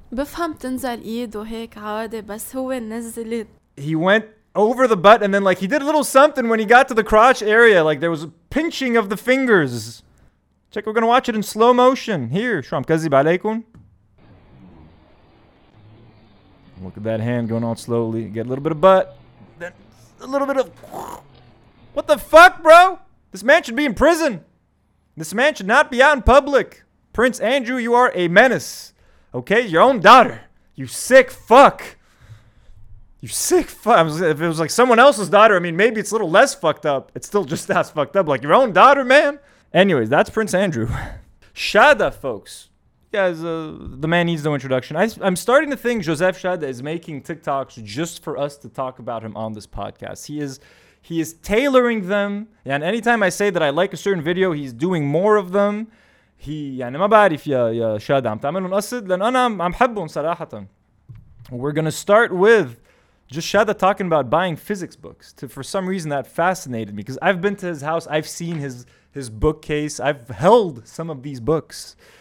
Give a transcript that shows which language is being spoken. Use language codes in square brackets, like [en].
[ar] بفهم تنزل ايد وهيك عادي بس هو نزل. [en] He went over the butt and then like he did a little something when he got to the crotch area, like there was a pinching of the fingers. Check, we're gonna watch it in slow motion. Here, [ar] Shram Kazib Aleikun. [en] Look at that hand going on slowly. Get a little bit of butt. Then a little bit of... What the fuck, bro? This man should be in prison. This man should not be out in public. Prince Andrew, you are a menace. Okay, your own daughter. You sick fuck. You sick fuck. If it was like someone else's daughter, I mean, maybe it's a little less fucked up. It's still just as fucked up. Like your own daughter, man. Anyways, that's Prince Andrew. Shada, folks. You guys, the man needs no introduction. I'm starting to think Joseph Shada is making TikToks just for us to talk about him on this podcast. He is tailoring them. And anytime I say that I like a certain video, he's doing more of them. [ar] He, يعني ما بعرف يا شادة عم تعملون قصد لأن أنا عم حبهم صراحة. [en] We're gonna start with just Shada talking about buying physics books. For some reason that fascinated me because I've been to his house, I've seen his bookcase, I've held some of these books.